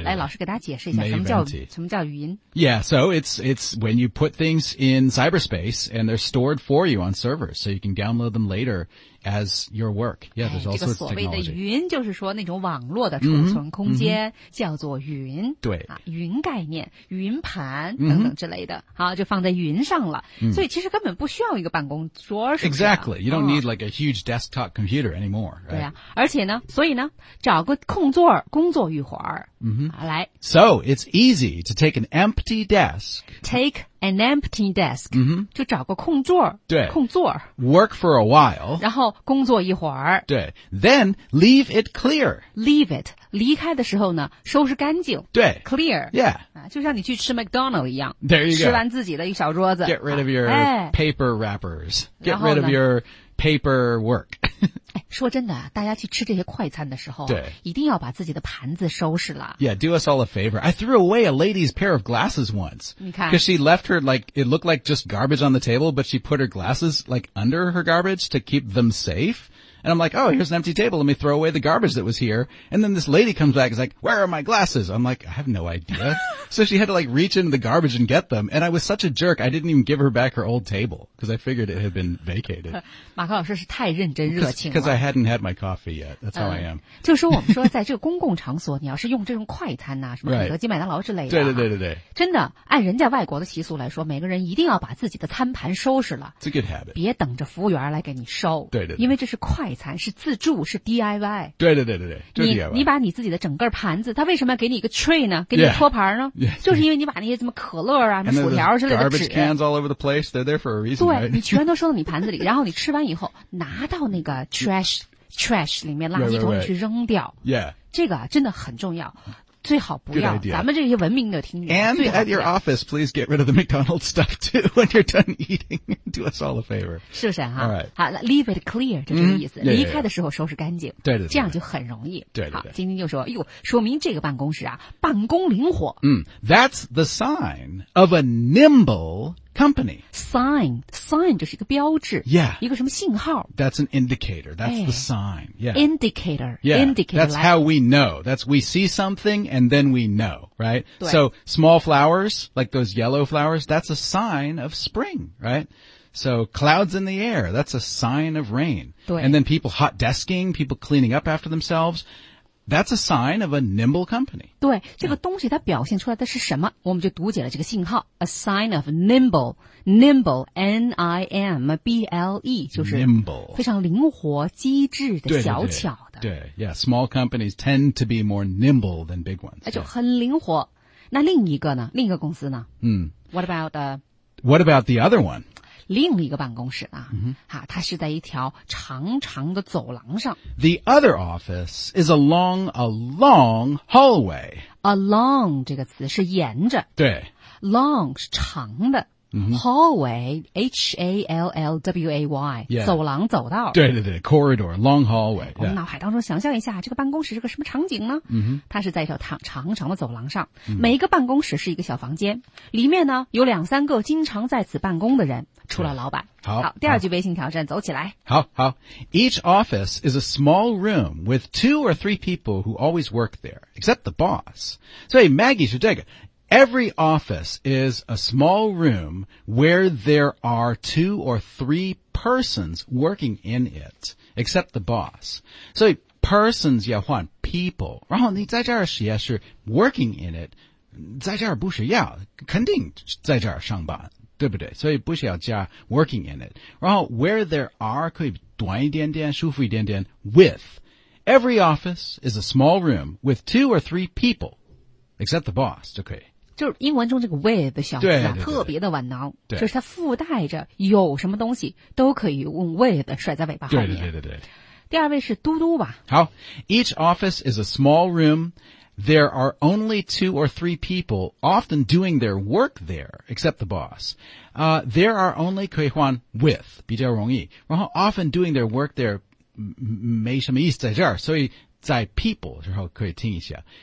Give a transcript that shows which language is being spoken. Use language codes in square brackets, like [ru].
[zh] 来老师给大家解释一下什么叫云。 [en] Yeah, so it's when you put things in cyberspace and they're stored for you on servers, so you can download them later as your work. Yeah, there's all sorts of technology. [zh] 这个所谓的云就是说那种网络的储存空间叫做云。对。云概念云盘等等之类的。好就放在云上了。所以其实根本不需要一个办公桌是不是 [en] Exactly, you don't need like a huge desktop computer anymore, right? [zh] 对啊。而且呢所以呢找个空座工作一会儿。来。 [en] So, it's easy to take an empty desk. Take an empty desk. [zh] 就找个空座。对。空座。 [en] Work for a while. [zh] 然后工作一会儿。 [en] 对。Then, leave it clear. Leave it. [zh] 离开的时候呢收拾干净。对。 [en] Clear. Yeah.、 [zh] 就像你去吃 McDonald 一样。 [en] There you go. [zh] 吃完自己的一小桌子。 [en] Get rid of your、paper wrappers. Get rid of your paper work. [zh] 说真的大家去吃这些快餐的时候对一定要把自己的盘子收拾了。 [en] Yeah, do us all a favor. I threw away a lady's pair of glasses once. [zh] 你看。 [en] Because she left her, like, it looked like just garbage on the table, but she put her glasses, like, under her garbage to keep them safe. And I'm like, oh, here's an empty table. Let me throw away the garbage that was here. And then this lady comes back and is like, where are my glasses? I'm like, I have no idea. So she had to, like, reach into the garbage and get them. And I was such a jerk, I didn't even give her back her old table. Because I figured it had been vacated. [zh] 马克老师是太认真热情了。 [en] Because I hadn't had my coffee yet. That's how I am. [zh] 就是说我们说在这个公共场所你要是用这种快餐啊什么肯德基麦当劳之类的。对对对对对。真的按人家外国的习俗来说每个人一定要把自己的餐盘收拾了。 [en] It's a good habit. [zh] 别等着服务员来给你收。对对对。因为这是快餐是自助是 DIY。对对对对对。就 DIY。你把你自己的整个盘子他为什么要给你一个 tray 呢给你托盘呢、 [en] yeah. [zh] 就是因为你把那些什么可乐啊、什么薯条之类的纸 [en] garbage cans all over the place, they're there for a reason. [zh] 对，你全都收到你盘子里，然后你吃完以后拿到那个 trash 里面垃圾桶里去扔掉。 [en] Right, right, right. Yeah, [zh] 这个真的很重要，最好不要。咱们这些文明的听众。 [en] And at your office, please get rid of the McDonald's stuff too when you're done eating. Do us all a favor. [zh] 是不是哈 [en] ？All right. [zh] 好 ， [en] leave it clear [zh] 就这个意思。 [en] Yeah, [zh] 离开的时候收拾干净。对对对。这样就很容易。对对对。好，晶晶就说：“哟，说明这个办公室啊，办公灵活。 [en] ”That's the sign of a nimble company. [zh] Sign 就是一个标志。 [en] Yeah. [zh] 一个什么信号。 [en] That's an indicator. That's the sign. Yeah. Indicator. Yeah. Indicator. That's how we know. That's we see something and then we know, right? 对。 So small flowers, like those yellow flowers, that's a sign of spring, right? So clouds in the air, that's a sign of rain. 对。 And then people hot desking, people cleaning up after themselves. That's a sign of a nimble company. [zh] 对，这个东西它表现出来的是什么？我们就读解了这个信号 ， [en] a sign of nimble, nimble, [zh] N-I-M-B-L-E, 就是 [en] nimble, [zh] 非常灵活、机智的、小巧的。对 [en] ，Yeah, small companies tend to be more nimble than big ones. [zh] 就很灵活。那另一个呢？另一个公司呢？ [en] What about the other one? [zh] 另一个办公室啊、它是在一条长长的走廊上。 [en] The other office is along a long hallway. [zh] Along 这个词是沿着。对。 [en] Long [zh] 是长的。 [en] Hallway, H-A-L-L-W-A-Y,、 yeah. [zh] 走廊走道。对对对 [en] ,corridor, long hallway.、Yeah. [zh] 我们脑海当中想象一下这个办公室是个什么场景呢、它是在一条 长长的走廊上。每一个办公室是一个小房间。里面呢有两三个经常在此办公的人。除了老板。好, 好第二句微信挑战走起来。好好。 [en] Each office is a small room with two or three people who always work there, except the boss. [zh] 所以 Maggie 是这个。 [en] Every office is a small room where there are two or three persons working in it, except the boss. [zh] So persons 要换 people, 然后你在这儿实验室 [en] working in it, [zh] 在这儿不需要肯定在这儿上班。对不对所以不需要加 [en] working in it. [zh] 然后 [en] where there are [zh] 可以短一点点舒服一点点 with. [en] Every office is a small room with two or three people, except the boss, [zh] 就可以。就是英文中这个 with 的小词啊对对对特别的万能对。就是它附带着有什么东西都可以用 with 甩在尾巴后面。对对对对。第二位是嘟嘟吧。 [en] 好 ,each office is a small room. There are only two or three people often doing their work there, except the boss. There are only [zh] 可以换 with, 比较容易。然后 [en] often doing their work there, [zh] 没什么意思在这儿所以在 people 之后可以听一下。